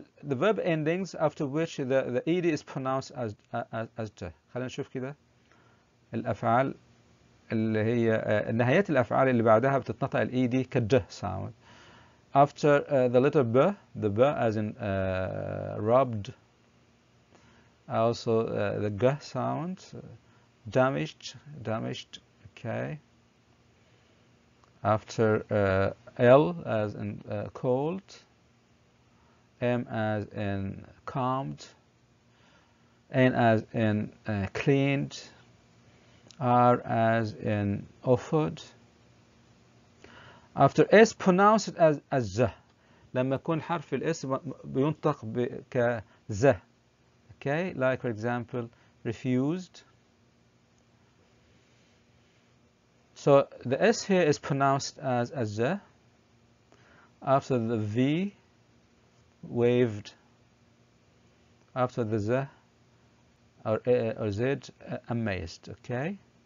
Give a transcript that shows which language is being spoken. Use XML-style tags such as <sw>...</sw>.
<en>The verb endings after which the ed is pronounced as t.</en> <ar>خلينا نشوف كده الافعال اللي هي نهايات الافعال اللي بعدها بتتنطق ال ed كد sound.</ar> <en>After the letter b, the b as in rubbed. Also the g sound, damaged. Okay. After L as in cold, M as in calmed, N as in cleaned, R as in offered. After S pronounced as Z,</en> <ar>لما يكون حرف الاس بينطق كز.</ar> <en>Okay, like for example, refused. So the S here is pronounced as Z. After the V, waved. After the Z, or Z, amazed. Okay.</en>